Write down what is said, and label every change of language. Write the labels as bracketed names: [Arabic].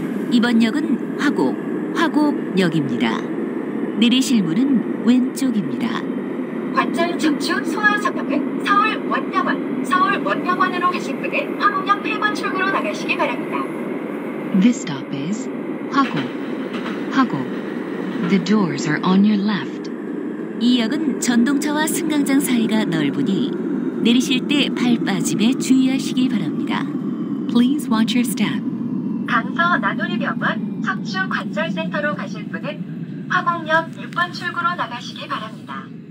[Korean] 2번역은 화곡, 화곡역입니다. 내리실 문은 왼쪽입니다. 관절 척추 소아접합은 서울 원병원으로 가신 분은 화곡역 8번 출구로 나가시기 바랍니다. [English] This stop is 화곡. [Korean] 화곡. [English] The doors are on your left. [Korean] 이 역은 전동차와 승강장 사이가 넓으니 내리실 때 발 빠짐에 주의하시기 바랍니다. [English] Please watch your step. [Korean] 강서 나누리병원 척추관절센터로 가실 분은 화곡역 6번 출구로 나가시기 바랍니다.